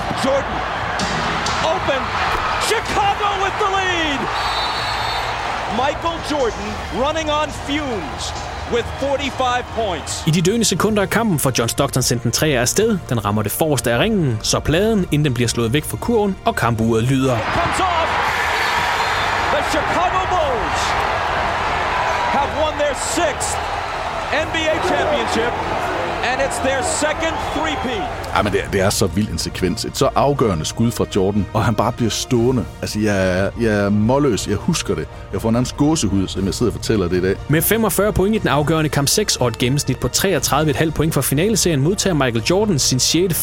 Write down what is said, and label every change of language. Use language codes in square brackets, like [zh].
[en] Jordan. Open. Chicago with the lead. Michael Jordan running on fumes with 45 points. [da] I de døende sekunder af kampen får John Stockton sendt en træer afsted. Den rammer det forreste af ringen, så pladen, inden den bliver slået væk fra kurven, og kampuret lyder. [en] It comes off. The Chicago Bulls have won their 6th NBA championship, and it's their 2nd three-peat. [da] Ej, men det er så vild en sekvens. Et så afgørende skud fra Jordan, og han bare bliver stående. Altså, jeg er målløs. Jeg husker det. Jeg får nærmest gåsehud, som jeg sidder og fortæller det i dag. Med 45 point i den afgørende kamp 6 og et gennemsnit på 33,5 point fra finaleserien modtager Michael Jordan sin 6.